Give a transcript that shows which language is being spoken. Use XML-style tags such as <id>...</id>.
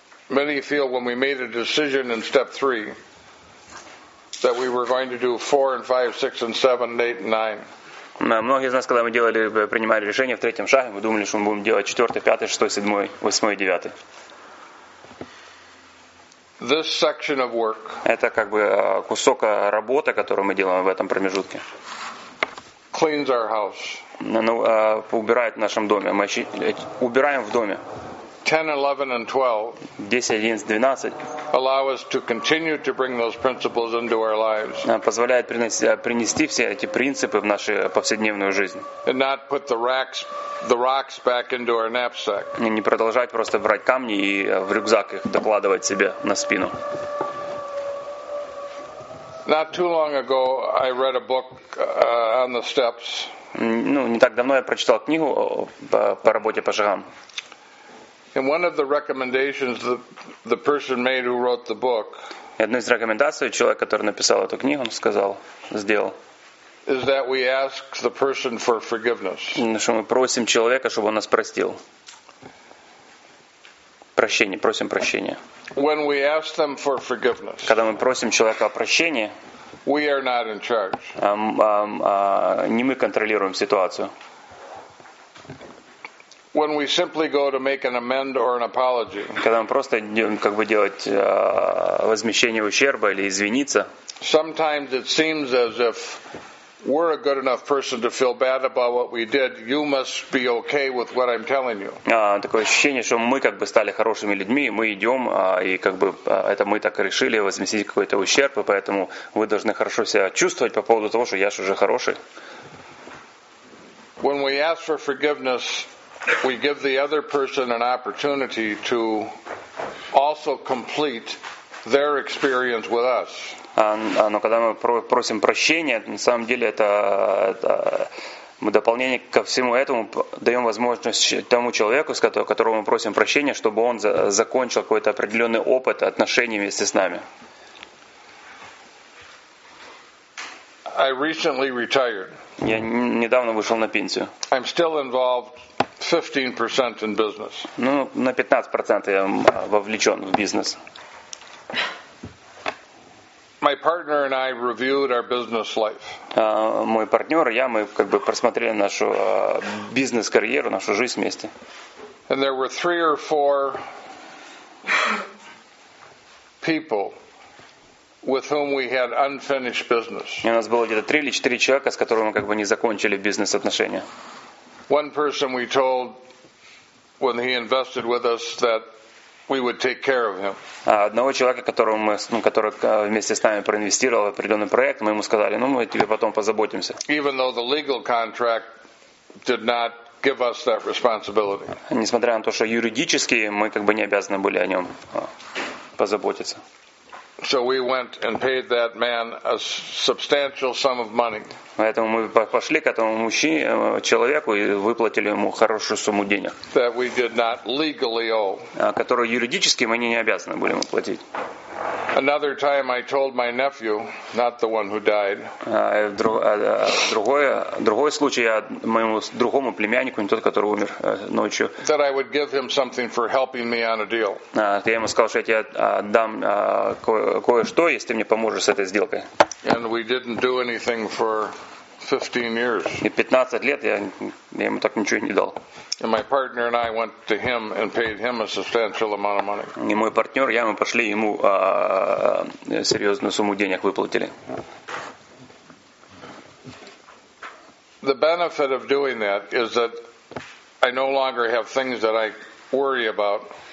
<en>Many feel when we made a decision in step 3 that we were going to do 4 and 5, 6 and 7, 8 and 9.</en> <ru>Многие из нас, когда мы принимали решение в третьем шаге, мы думали, что мы будем делать 4, 5, 6, 7, 8, 9.</ru> <en>This section of work.</en> <ru>Это как бы кусок работы, которую мы делаем в этом промежутке.</ru> <en>Cleans our house.</en> <ru>Убирает в нашем доме. Мы убираем в доме.</ru> <en>10, 11, 12 allow us to continue to bring those principles into our lives.</en> <ru>Позволяет принести все эти принципы в нашу повседневную жизнь.</ru> <en>And not put the rocks back into our knapsack.</en> <ru>И не продолжать просто брать камни и в рюкзак их докладывать себе на спину.</ru> <en>Not too long ago I read a book on the steps.</en> <ru>Не так давно я прочитал книгу по работе по шагам.</ru> <en>And one of the recommendations the person made who wrote the book.</en> <ru>Одна из рекомендаций человек, который написал эту книгу, он сказал, сделал.</ru> <en>is that we ask the person for forgiveness.</en> <ru>Что мы просим человека, чтобы он нас простил. Прощение, просим прощения.</ru> <en>When we ask them for forgiveness.</en> <ru>Когда мы просим человека о прощении.</ru> <en>We are not in charge.</en> <ru>Не мы контролируем ситуацию.</ru> <en>When we simply go to make an amend or an apology.</en> <ru>Когда мы просто идем, как бы делать возмещение ущерба или извиниться.</ru> <en>Sometimes it seems as if we're a good enough person to feel bad about what we did. You must be okay with what I'm telling you.</en> <ru>Такое ощущение, что мы как бы стали хорошими людьми, мы идем, и как бы это мы так решили возместить какой-то ущерб, и поэтому вы должны хорошо себя чувствовать по поводу того, что я же уже хороший.</ru> <en>When we ask for forgiveness, we give the other person an opportunity to also complete their experience with us.</en> <ru>Но когда мы просим прощения, на самом деле это мы дополнение ко всему этому даем возможность тому человеку, которого мы просим прощения, чтобы он закончил какой-то определенный опыт отношений вместе с нами.</ru> <en>I recently retired.</en> <ru>Я недавно вышел на пенсию.</ru> <en>I'm still involved 15% in business.</en> <ru>Ну, на 15% я вовлечен в бизнес.</ru> <en>My partner and I reviewed our business life.</en> <ru>Мой партнер и я, мы как бы просмотрели нашу бизнес-карьеру, нашу жизнь вместе.</ru> <en>And there were three or four people with whom we had unfinished business.</en> <ru>И у нас было где-то 3 или 4 человека, с которыми мы как бы не закончили бизнес-отношения.</ru> <en>One person we told when he invested with us that we would take care of him.</en> <ru>Одного человека, который вместе с нами проинвестировал в определенный проект, мы ему сказали: "Ну, мы тебе потом позаботимся".</ru> <en>Even though the legal contract did not give us that responsibility.</en> <ru>Несмотря на то, что юридически мы как бы не обязаны были о нем позаботиться.</ru> <en>So we went and paid that man a substantial sum of money.</en> <ru>Поэтому мы пошли к этому мужчине, человеку, и выплатили ему хорошую сумму денег.</ru> <en>That we did not legally owe.</en> <ru>Которую юридически мы не обязаны были ему платить.</ru> <en>Another time I told my nephew, not the one who died.</en> <ru>Другой случай, я моему другому племяннику, не тот, который умер ночью.</ru> <en>That I would give him something for helping me on a deal.</en> <ru>Я ему сказал, что я тебе дам кое-что, если ты мне поможешь с этой сделкой.</ru> <en>And we didn't do anything for 15 years.</en> <ru>И 15 лет я ему так ничего не дал.</ru> <en>And my partner and I went to him and paid him a substantial amount of money.</en> <ru>И мой партнер, я, мы пошли ему серьезную сумму денег выплатили.</ru> <en>The benefit of doing that is that I no longer have things that I worry about.</en>